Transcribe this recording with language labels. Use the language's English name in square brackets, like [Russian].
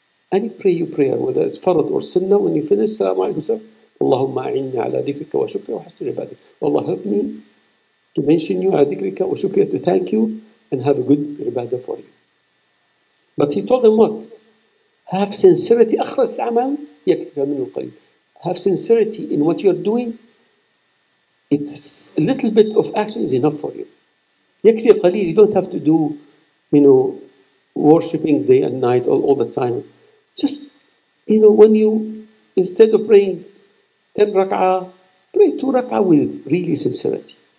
[English] Any prayer you pray, whether it's farad or sunnah, when you finish, salam alaykum, sir, [Arabic] Allahumma inni ala dhikrika wa shukrika wa hasni ibadah. [English] Allah help me to mention you, [Arabic] ala dhikrika wa shukrika, [English] to thank you and have a good ibadah for you. But he told them what? Have sincerity. [Arabic] أخلص العمل يكفيك منه القليل. [English] Have sincerity in what you're doing. It's a little bit of action is enough for you. [Arabic] يكفي قليل. [English] You don't have to do, you know, worshipping day and night all the time. Just, you know, when you, instead of praying 10 rak'ah, pray 2 rak'ah with really sincerity.